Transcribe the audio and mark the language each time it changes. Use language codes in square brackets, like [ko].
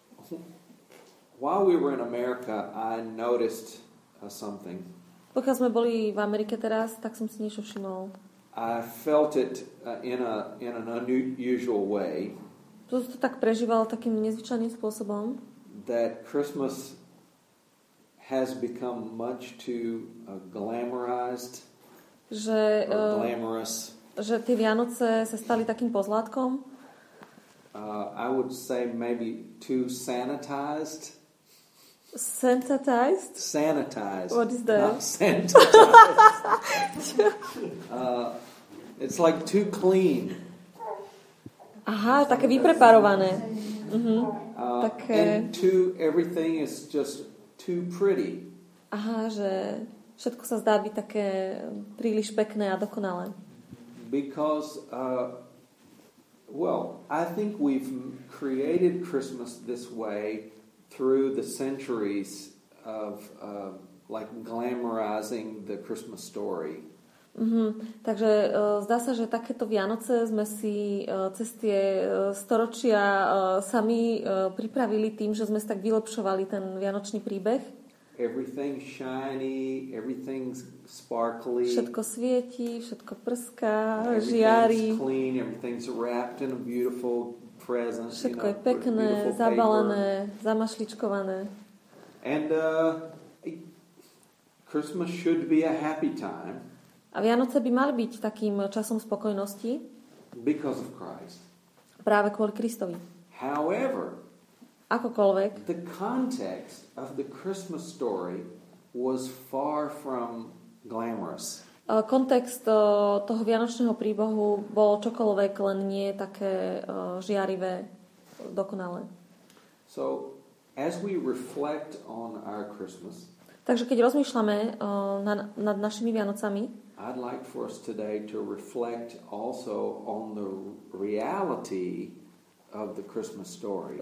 [en] But while we were in America, I noticed something. [sk] Pokiaľ sme boli v Amerike teraz, tak som si niečo všimol. [en] I felt it in an unusual way. [sk] To som to tak prežíval takým nezvyčajným spôsobom. [en] That Christmas has become much too glamorized. [sk] Že [en] glamorous. [sk] Že tie Vianoce sa stali takým pozlátkom. [en] I would say maybe too sanitized. Sanitized? Sanitized. What is that? Not sanitized. It's like too clean. [sk] Aha, také vypreparované. Mm-hmm. Také. [en] And too, everything is just too pretty. [sk] Aha, že všetko sa zdá byť také príliš pekné a dokonalé. [en] Because, I think we've created Christmas this way through the centuries of like glamorizing the Christmas story. Mm-hmm. [sk] Takže zdá sa, že takéto Vianoce sme si cez tie storočia sami pripravili tým, že sme tak vylepšovali ten vianočný príbeh. [en] Everything shiny, everything's sparkly. [sk] Všetko svieti, všetko prská, žiari. [en] Everything's clean, everything's wrapped in a beautiful present. [sk] Všetko je pekné, zabalené, zamašličkované. [en] And Christmas should be a happy time. [sk] A Vianoce by mali byť takým časom spokojnosti. [en] Because of Christ. [sk] Práve kvôli Kristovi. [en] However, [sk] akokoľvek, [en] the context of the Christmas story was far from glamorous. [sk] Kontext toho vianočného príbehu bol čokoľvek, len nie také žiarivé, dokonalé. [en] So, as we reflect on our Christmas, [sk] takže keď rozmýšľame nad našimi Vianocami, [en] I'd like for us today to reflect also on the reality of the Christmas story.